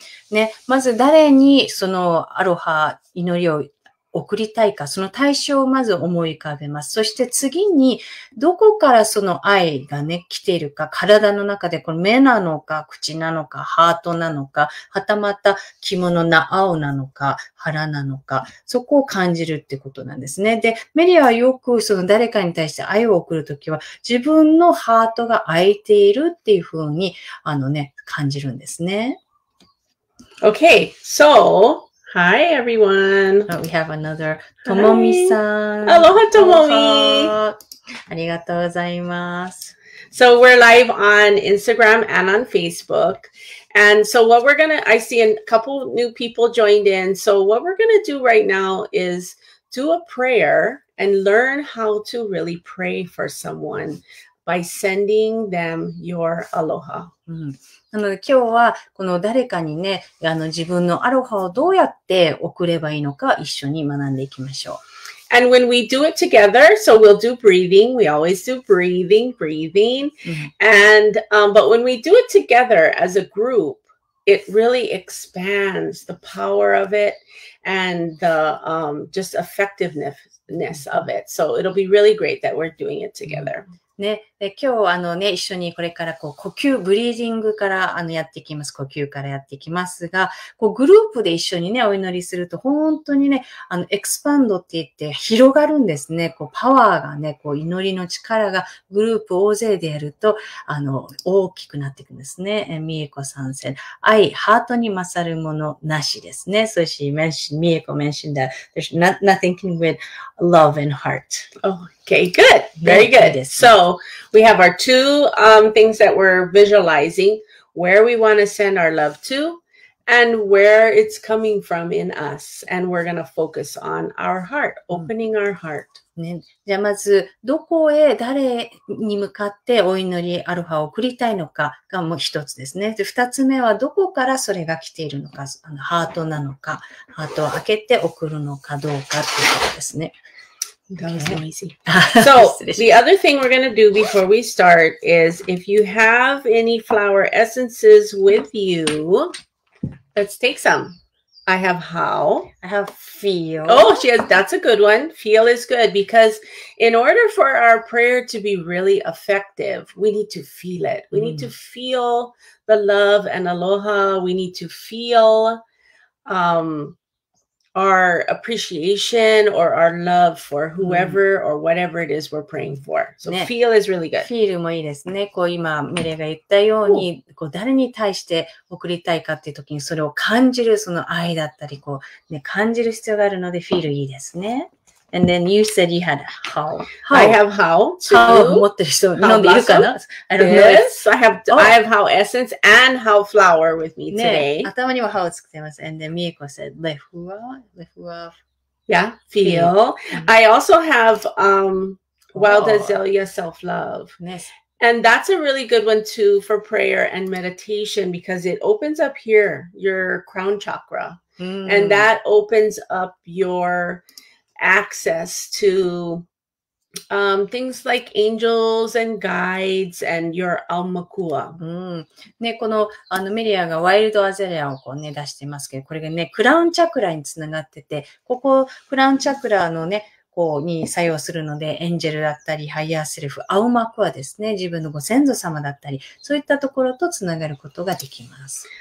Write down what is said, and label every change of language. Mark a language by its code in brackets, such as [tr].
[ja] ね、まず誰にそのアロハ祈りを送りたいか、その対象をまず思い浮かべます。そして次にどこからその愛がね来ているか、体の中でこの目なのか、口なのか、ハートなのか、はたまた着物な青なのか、腹なのか、そこを感じるってことなんですね。で、メリアはよくその誰かに対して愛を送るときは自分のハートが空いているっていう風にね感じるんですね。 [en] Okay, so. Hi, everyone.、 Oh, we have another Tomomi-san. Aloha, Tomomi. [ja] ありがとうございます。 [en] So we're live on Instagram and on Facebook. And so what we're going to, I see a couple new people joined in. So what we're going to do right now is do a prayer and learn how to really pray for someone by sending them your aloha.、 Mm-hmm. [ja] なので今日はこの誰かにね、自分のアロハをどうやって送ればいいのか一緒に学んでいきましょう。 [en] And when we do it together, so we'll do breathing, we always do breathing. And, but when we do it together as a group, it really expands the power of it and the, just effectiveness of it. So it'll be really great that we're doing it together. [ja] ね、で今日一緒にこれからこう呼吸、ブリーディングからやっていきます。呼吸からやっていきますが、こうグループで一緒にね、お祈りすると、本当にね、エクスパンドって言って広がるんですね。こうパワーがね、こう祈りの力がグループ大勢でやると、大きくなっていくんですね。みえこさん [en] said、 [ja] 愛、ハートに勝るものなしですね。そして、 [en] みえこ mentioned that there's nothing can win love and heart.、 Oh. Okay, good. Very good. So we have our two things that we're visualizing, where we want to send our love to and where it's coming from in us. And we're going to focus on our heart, opening our heart. [ja] ね、じゃあまずどこへ誰に向かってお祈りアロハを送りたいのかがもう一つですね。で、二つ目はどこからそれが来ているのか、ハートなのか、ハートを開けて送るのかどうかということですね。 [en] So, the other thing we're going to do before we start is if you have any flower essences with you, let's take some. I have how. I have feel. Oh, she has, that's a good one. Feel is good because in order for our prayer to be really effective, we need to feel it. We need to feel the love and aloha. We need to feel, our appreciation or our love for whoever or whatever it is we're praying for. So、ね、feel is really good. [ja] Feel もいいですね。こう今メレが言ったように、こう誰に対して送りたいかっていう時にそれを感じるその愛だったり、こうね、感じる必要があるので feel いいですね。 [en] And then you said you had how. I have how. [ja] How 持ってる人飲んでいるかな? [en] I don't know. Yes, I have how essence and how flower with me today. [ja] 頭にもhow をつけてます。 [en] And then Miyako said, [ja] レフは? [en] Yeah, feel. I also have wild azalea self-love. Yes. And that's a really good one too for prayer and meditation because it opens up here, your crown chakra. And that opens up your access to things like angels and guides and your almakua. [ja] ね、この、あの、メリアがワイルドアゼレアをこうね、出してますけど、これがね、クラウンチャクラにつながってて、ここ、クラウンチャクラのね、こうに作用するので、エンジェルだったり、ハイヤーセルフ、アウマクアですね。自分のご先祖様だったり、そういったところとつながることができます。